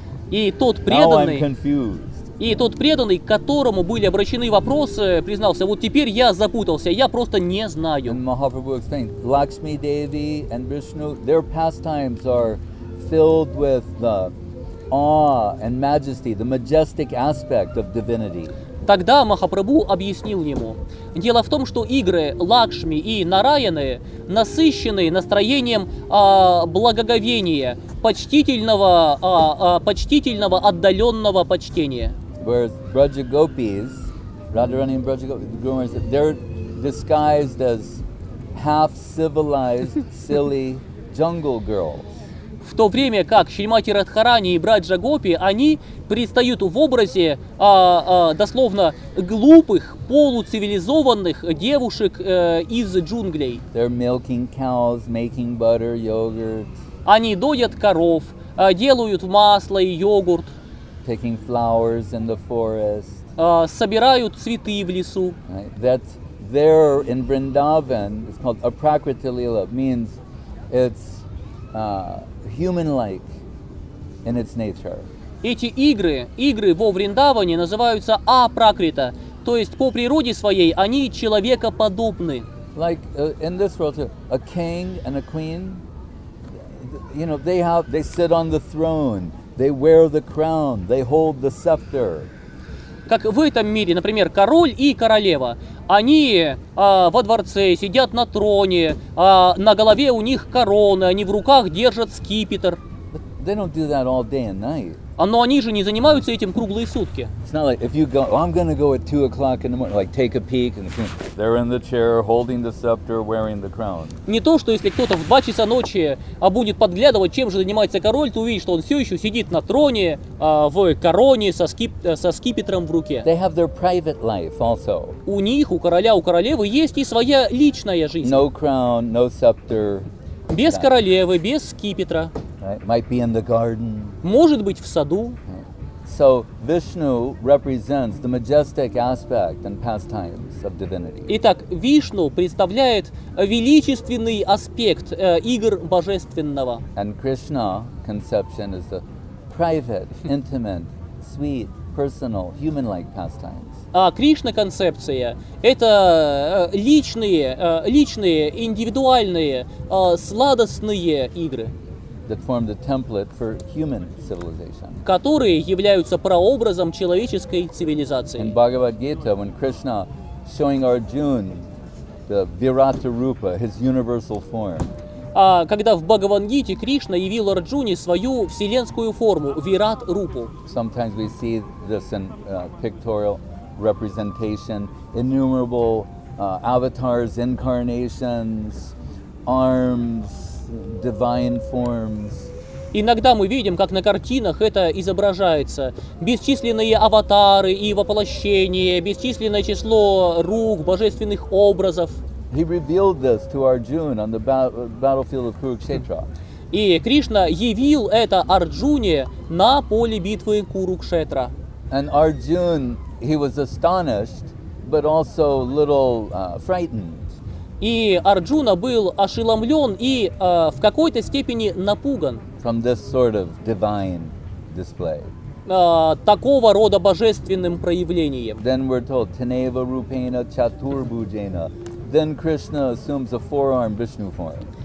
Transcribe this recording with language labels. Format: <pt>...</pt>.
<ru>И тот преданный.</ru> <en>Now I'm confused.</en> <ru>И тот преданный, к которому были обращены вопросы, признался, вот теперь я запутался, я просто не знаю.</ru> <en>And Mahaprabhu explained, Lakshmi Devi and Vishnu, their pastimes are filled with the awe and majesty, the majestic aspect of divinity.</en> <ru>Тогда Махапрабху объяснил ему, дело в том, что игры Лакшми и Нараяны насыщены настроением благоговения, почтительного отдаленного почтения.</ru> <en>Whereas Braja Gopis, Radharani and Braja Gopis, the groomers, they're disguised as half-civilized, silly jungle girls.</en> <ru>В то время как Шримати Радхарани и Браджа Гопи, они предстают в образе, дословно, глупых, полуцивилизованных девушек из джунглей.</ru> <en>They're milking cows, making butter, yogurt.</en> <ru>Они доят коров, делают масло и йогурт.</ru> <en>Taking flowers in the forest.</en> <ru>Собирают цветы в лесу.</ru> <en>Right? That there in Vrindavan, it's called Aprakriti Lila, means it's human-like in its nature.</en> <ru>Эти игры, игры во Вриндаване называются апракрита, то есть по природе своей они человекоподобны.</ru> <en>Like in this world, a king and a queen, you know, they sit on the throne, they wear the crown, they hold the scepter.</en> <ru>Как в этом мире, например, король и королева, они во дворце сидят на троне, на голове у них короны, они в руках держат скипетр.</ru> <en>They don't do that all day and night. Но они же не занимаются этим круглые сутки. It's not like if you go, oh, I'm going to go at 2 o'clock in the morning, like take a peek and see. They're in the chair holding the scepter, wearing the crown.</en> <ru>Не то, что если кто-то в 2 часа ночи будет подглядывать, чем же занимается король, то увидишь, что он все еще сидит на троне, в короне, со скипетром в руке.</ru> <en>They have their private life also.</en> <ru>У них, у короля, у королевы есть и своя личная жизнь.</ru> <en>No crown, no scepter.</en> <ru>Без королевы, без скипетра.</ru> <en>Might be in the garden.</en> <ru>Может быть, в саду.</ru> <en>So Vishnu represents the majestic aspect and pastimes of divinity.</en> <ru>Итак, Вишну представляет величественный аспект игр божественного.</ru> <en>And Krishna conception is the private, intimate, sweet, personal, human-like pastimes.</en> <ru>А Кришна концепция — это личные, личные, индивидуальные, сладостные игры.</ru> <en>That form the template for human civilization.</en> <ru>Которые являются прообразом человеческой цивилизации.</ru> <en>In Bhagavad Gita, when Krishna showing Arjuna the Virata Rupa, his universal form.</en> <ru>Когда в Бхагавад-гите Кришна явил Арджуне свою вселенскую форму Вират Рупу.</ru> <en>Sometimes we see this in pictorial representation, innumerable avatars, incarnations, arms. Divine forms.</en> <ru>Иногда мы видим, как на картинах это изображается. Бесчисленные аватары и воплощения, бесчисленное число рук, божественных образов.</ru> <en>He revealed this to Arjuna on the battlefield of Kurukshetra.</en> <ru>И Кришна явил это Арджуне на поле битвы Курукшетра.</ru> <en>And Arjun, he was astonished, but also a little frightened.</en> <ru>И Арджуна был ошеломлен и в какой-то степени напуган</ru> <en>from this sort of divine display.</en> <ru>Такого рода божественным проявлением.</ru> <en>Then we're told,</en> <sa>Taneva Rupena Chaturbhujena.</sa> <en>Then Krishna assumes a four-armed Vishnu form.</en>